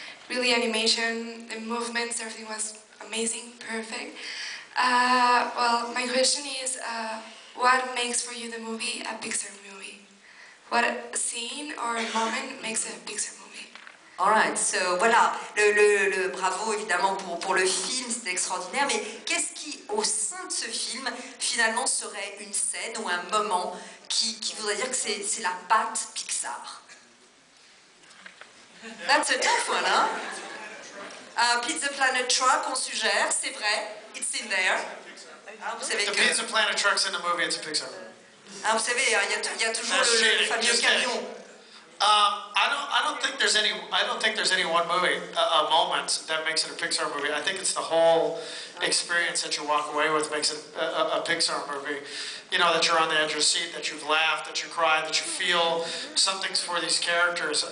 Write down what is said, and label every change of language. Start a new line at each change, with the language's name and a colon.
English: Really animation, the movements, everything was amazing, perfect. Well, my question is, what makes for you the movie a Pixar movie? What scene or moment makes a Pixar movie? All right, so,
French: voilà, le bravo évidemment pour le film, c'était extraordinaire, mais qu'est-ce qui, au sein de ce film, finalement serait une scène ou un moment qui voudrait dire que c'est la patte Pixar?
English: That's a tough one, huh?
French: Pizza Planet truck, on suggère, c'est vrai,
English: it's in there. The Pizza Planet truck's in the movie, it's a Pixar.
French: Vous savez, il y a toujours le fameux camion.
English: I don't think there's any one movie moment that makes it a Pixar movie. I think it's the whole experience that you walk away with makes it a Pixar movie. You know, that you're on the edge of your seat, that you've laughed, that you cried, that you feel something's for these characters.